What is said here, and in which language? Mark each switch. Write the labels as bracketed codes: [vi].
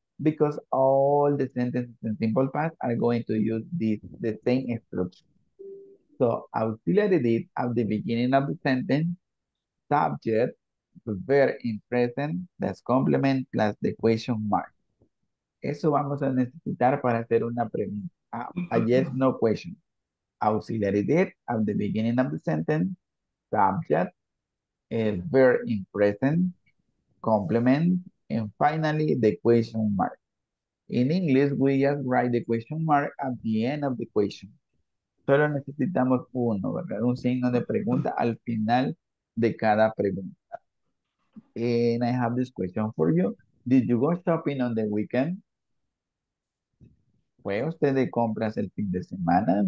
[en] Because all the sentences in simple past are going to use the same structure. So auxiliary did at the beginning of the sentence, subject, verb in present, plus complement, plus the question mark. [es] Eso vamos a necesitar para hacer una pregunta. [en] A yes, no question. Auxiliary did at the beginning of the sentence, subject, verb in present, complement, and finally, the question mark. In English, we just write the question mark at the end of the question. [es] Solo necesitamos uno, ¿verdad? Un signo de pregunta al final de cada pregunta. [en] And I have this question for you. Did you go shopping on the weekend? [es] ¿Fue usted de compras el fin de semana?